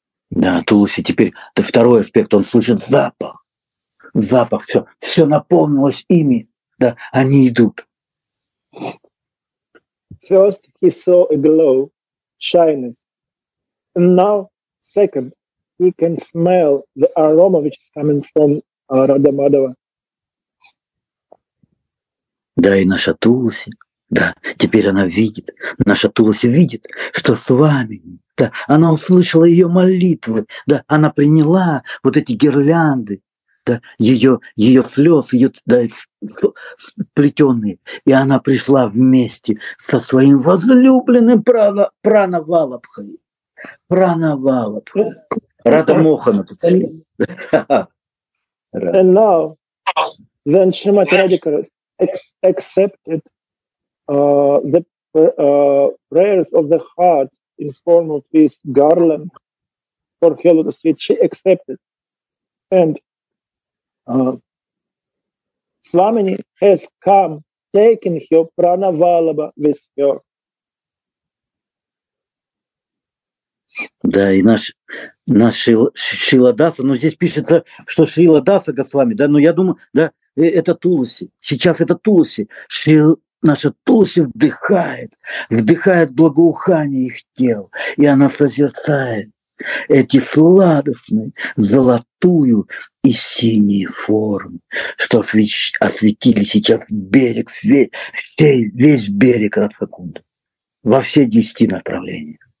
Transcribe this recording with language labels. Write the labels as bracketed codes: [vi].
[ru] Да, Туласи теперь, это второй аспект, он слышит запах, все наполнилось ими, да, они идут. [en] First he saw a glow, shyness, and now, second, he can smell the aroma, which is coming from Radha Madhava. [ru] Да, и наша Туласи, да, теперь она видит, наша Туласи видит, что с вами. Да, она услышала ее молитвы, да, она приняла вот эти гирлянды, да, ее слез, ее, да, сплетенные, и она пришла вместе со своим возлюбленным Прана-Валабхой. Прана-Валабхой. Радха Мохана тут сидит. [en] And now, then Shrimati Radhika accepted the prayers of the heart in form of this garland for her lotus feet, she accepted. And Swamini has come, taking her Prana-Valabha with her. [ru] Да, и наш Шрила Даса, но здесь пишется, что Шрила Даса Госвами, да, но я думаю, да, это Туласи, сейчас это Туласи, наша Туласи вдыхает благоухание их тел, и она созерцает эти сладостные золотую и синие формы, что осветили сейчас берег, весь берег Радхакунды во все 10 направления.